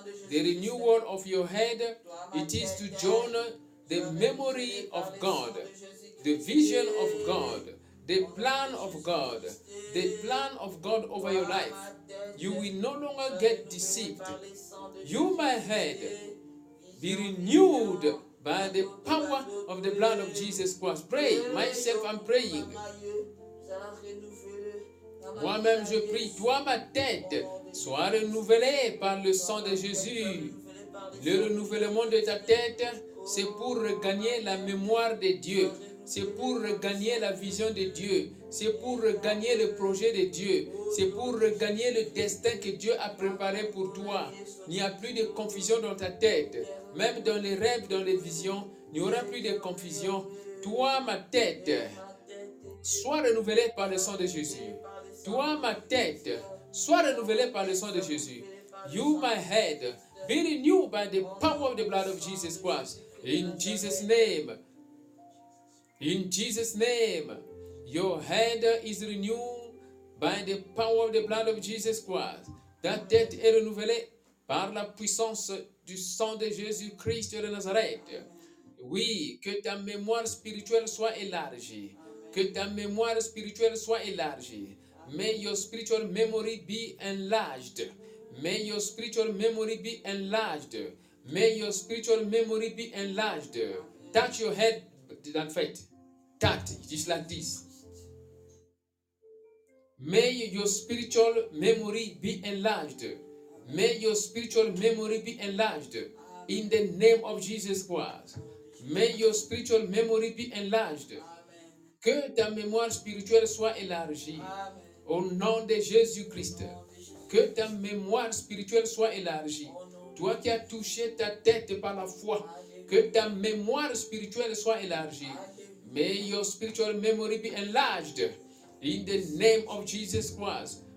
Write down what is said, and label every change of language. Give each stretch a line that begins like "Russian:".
English: The renewal of your head, it is to join the memory of God, the vision of God, the plan of God, the plan of God over your life. You will no longer get deceived. You, my head, be renewed by the power of the blood of Jesus Christ. Pray, myself, I'm praying.
French: Moi-même, je prie, toi, ma tête, sois renouvelée par le sang de Jésus. Le renouvellement de ta tête, c'est pour regagner la mémoire de Dieu. C'est pour regagner la vision de Dieu. C'est pour regagner le projet de Dieu. C'est pour regagner le destin que Dieu a préparé pour toi. Il n'y a plus de confusion dans ta tête. Même dans les rêves, dans les visions, il n'y aura plus de confusion. Toi, ma tête, sois renouvelée par le sang de Jésus. Toi, ma tête, sois renouvelée par le sang de Jésus.
English: You, my head, be renewed by the power of the blood of Jesus Christ. In Jesus' name. In Jesus' name, your head is renewed by the power of the blood of Jesus Christ.
French: Ta tête est renouvelée par la puissance du sang de Jésus-Christ de Nazareth. Oui, que ta mémoire spirituelle soit élargie. Que ta mémoire spirituelle soit élargie.
English: May your spiritual memory be enlarged. May your spiritual memory be enlarged. May your spiritual memory be enlarged. Touch your head, that faith. That, just like this. May your spiritual memory be enlarged. May your spiritual memory be enlarged in the name of Jesus Christ. May your spiritual memory be enlarged.
French: Que ta mémoire spirituelle soit élargie. Au nom de Jésus Christ. Que ta mémoire spirituelle soit élargie. Toi qui as touché ta tête par la foi, que ta mémoire spirituelle soit élargie.
English: May your spiritual memory be enlarged in the name of Jesus Christ.